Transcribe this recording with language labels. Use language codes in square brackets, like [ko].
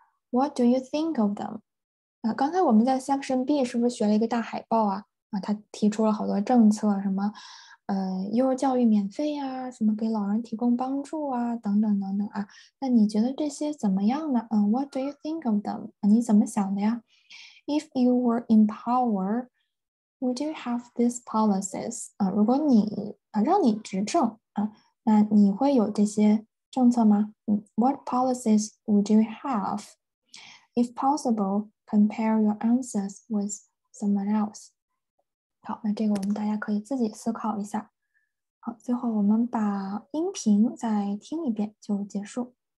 [en] What do you think of them？ [zh] 啊，刚才我们在 section B 是不是学了一个大海报啊？啊，他提出了好多政策，什么幼儿教育免费呀、啊，什么给老人提供帮助啊，等等等等啊。那你觉得这些怎么样呢？ [en] What do you think of them？ [zh] 你怎么想的呀？ [en] If you were in power, would you have these policies？ [zh] 如果你让你执政那你会有这些政策吗？ [en] What policies would you have？ If possible, compare your answers with someone else. [zh] 好，那这个我们大家可以自己思考一下。好，最后我们把音频再听一遍就结束。